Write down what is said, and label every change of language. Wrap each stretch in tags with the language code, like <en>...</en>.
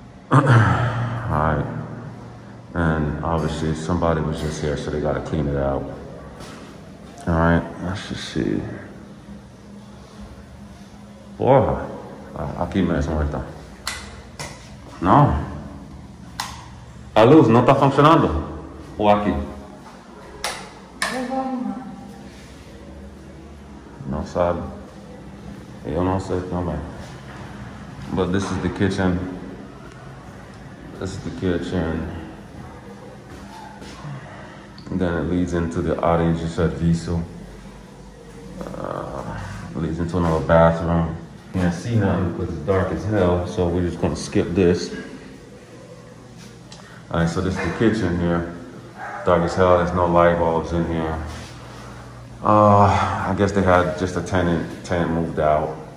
<en>All right. And obviously, somebody was just here, so they got to clean it out. All right, let's just see. Boy, I'll keep messing with that. No.</en> <pt>A luz não está funcionando. O aqui. Não sabe. Eu não sei também.</pt> <en>But this is the kitchen. This is the kitchen. Then it leads into the</en> <pt>área de serviço.</pt> <en>Leads into another bathroom. Can't see nothing because it's dark as hell. So we're just gonna skip this. All right, so this is the kitchen here. Dark as hell, there's no light bulbs in here. I guess they had just a tenant moved out.</en>